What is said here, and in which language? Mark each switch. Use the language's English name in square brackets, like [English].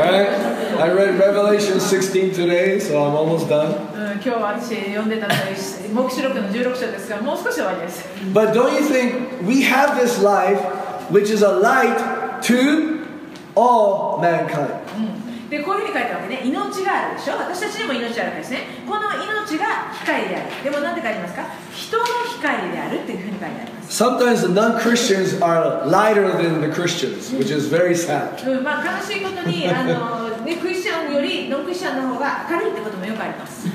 [English] All right. I read Revelation 16 today, so I'm almost done. [Japanese] 今日私読んでたのは黙示録の16章ですから、もう少し終わりです。 [English] But don't you think we have this life? Which is a light to all mankind. [Japanese] で、こういうふうに書いたわけね。命があるでしょ。私たちにも命あるんですね。この命が光である。でも何て書いてますか。人の光であるっていうふうに書いてあります。 [English] Sometimes the non-Christians are lighter than the Christians, which is very sad. [Japanese] まあ悲しいことに、ね、クリスチャンよりノンクリスチャンの方が明るいってこともよくあります。